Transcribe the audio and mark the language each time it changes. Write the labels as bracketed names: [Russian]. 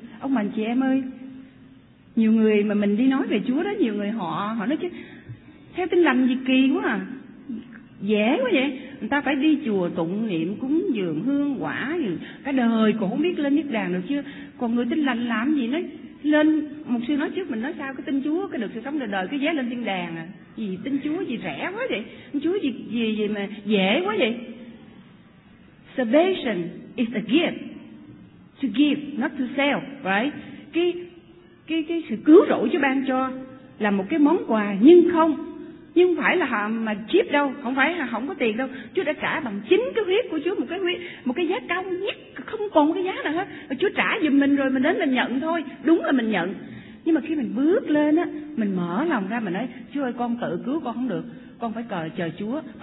[Vietnamese] Ông bà chị em ơi, nhiều người mà mình đi nói về Chúa đó, nhiều người họ họ nói chứ theo Tin Lành gì kỳ quá à, dễ quá vậy, người ta phải đi chùa tụng niệm cúng dường hương quả gì, cả đời cũng không biết lên niết bàn được chưa. Còn người Tin Lành làm gì, nói lên, một sư nói trước mình nói sao, cái tin Chúa cái được sự sống đời đời, cái vé lên thiên đàng à, gì tin Chúa gì rẻ quá vậy, Chúa gì gì gì mà dễ quá vậy. [English] Salvation is a gift, to give not to sell, right? [Vietnamese] Cái sự cứu rỗi Chúa ban cho là một cái món quà, nhưng không, nhưng phải là mà cheap đâu, không phải là không có tiền đâu. Chúa đã trả bằng chính cái huyết của Chúa, một cái giá cao nhất, không còn cái giá nào hết. Chúa trả giùm mình rồi, mình đến mình nhận thôi, đúng là mình nhận. Nhưng mà khi mình bước lên á, mình mở lòng ra, mình nói Chúa ơi, con tự cứu con không được, con phải chờ Chúa.